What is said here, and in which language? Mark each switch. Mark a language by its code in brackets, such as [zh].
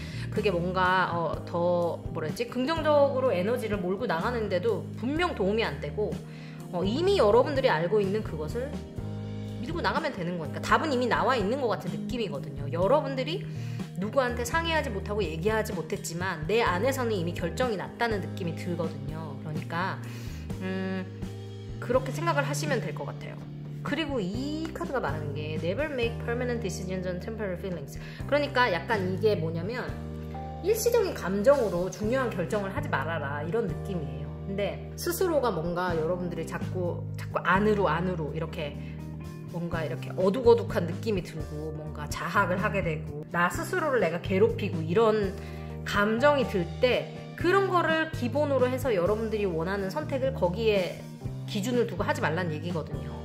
[ko] 그게 뭔가 더 뭐랬지? 긍정적으로 에너지를 몰고 나가는데도 분명 도움이 안 되고 이미 여러분들이 알고 있는 그것을 밀고 나가면 되는 거니까 답은 이미 나와 있는 것 같은 느낌이거든요. 여러분들이 누구한테 상의하지 못하고 얘기하지 못했지만 내 안에서는 이미 결정이 났다는 느낌이 들거든요. 그러니까 그렇게 생각을 하시면 될 것 같아요. 그리고 이 카드가 말하는 게 [en] Never make permanent decisions on temporary feelings. [ko] 그러니까 약간 이게 뭐냐면 일시적인 감정으로 중요한 결정을 하지 말아라 이런 느낌이에요. 근데 스스로가 뭔가 여러분들이 자꾸 안으로 이렇게 뭔가 이렇게 어둑어둑한 느낌이 들고 뭔가 자학을 하게 되고 나 스스로를 내가 괴롭히고 이런 감정이 들 때 그런 거를 기본으로 해서 여러분들이 원하는 선택을 거기에 기준을 두고 하지 말라는 얘기거든요.